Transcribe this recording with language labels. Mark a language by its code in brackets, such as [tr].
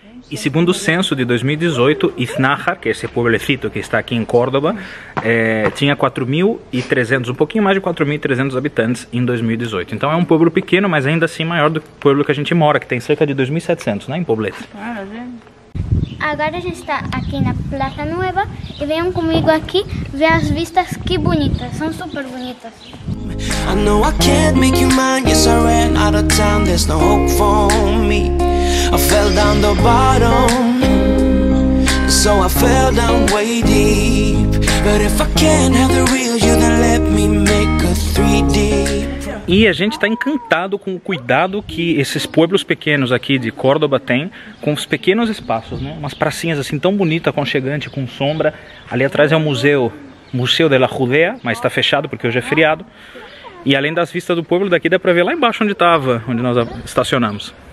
[pt] E segundo o censo de 2018, Iznájar, que é esse pueblecito que está aqui em Córdoba, tinha 4.300, um pouquinho mais de 4.300 habitantes em 2018. Então é um pueblo pequeno, mas ainda assim maior do que o pueblo que a gente mora, que tem cerca de 2.700, né, em Poblet. Agora a gente está aqui na Plaza Nueva e venham comigo aqui ver as vistas, que bonitas, são super bonitas. [en] I know I can't make you mine, yes I ran out of time, there's no hope for me. I fell down the bottom, so I fell down way deep. But if I can't have the real you, then let me make a 3D. [pt] E a gente está encantado com o cuidado que esses pueblos pequenos aqui de Córdoba têm com os pequenos espaços, né? Umas pracinhas assim tão bonita, aconchegante, com sombra. Ali atrás é o Museu de la Judea, mas está fechado porque hoje é feriado. E além das vistas do pueblo daqui, dá para ver lá embaixo onde estava, onde nós estacionamos.